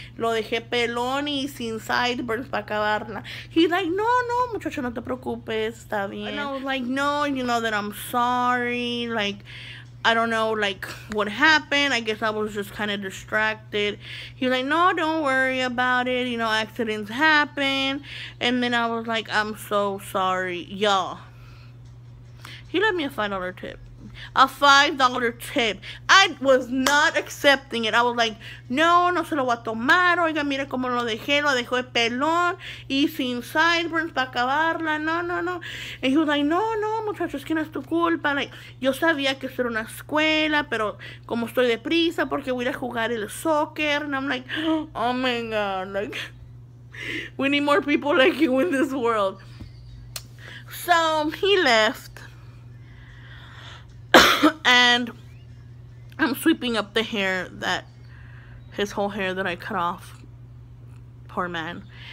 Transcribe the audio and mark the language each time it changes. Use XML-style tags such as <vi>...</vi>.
<es>Lo dejé pelón y sin sideburns para acabarla.</es> <en>He's like,</en> <es>no, no, muchacho, no te preocupes. Está bien.</es> <en>And I was like, no, you know that I'm sorry. Like, I don't know, like, what happened. I guess I was just kind of distracted. He was like, no, don't worry about it. You know, accidents happen. And then I was like, I'm so sorry, y'all. He left me a $5 tip. A $5 tip. I was not accepting it. I was like, no,</en> <es>no se lo voy a tomar. Oiga, mira cómo lo dejé. Lo dejó de pelón y sin sideburns para acabarla. No, no, no.</es> <en>And he was like,</en> <es>no, no, muchachos, que no es tu culpa. Like, yo sabía que esto era una escuela, pero como estoy deprisa porque voy a jugar el soccer.</es> <en>And I'm like, oh my God. Like, we need more people like you in this world. So he left. And I'm sweeping up the hair that, his whole hair that I cut off. Poor man.</en>